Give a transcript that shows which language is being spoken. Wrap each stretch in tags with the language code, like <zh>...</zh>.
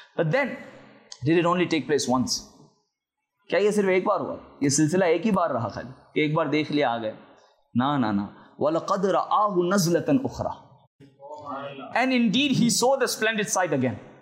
<en>But then, did it only take place once?</en> <ur>کیا یہ صرف ایک بار ہوا؟ یہ سلسلہ ایک ہی بار رہا خالی کہ ایک بار دیکھ لیا آگئے؟ نا.</ur> <ar>وَلَقَدْ رَآهُ نَزْلَةً أُخْرَى.</ar> <en>And indeed he saw the splendid sight again.</en>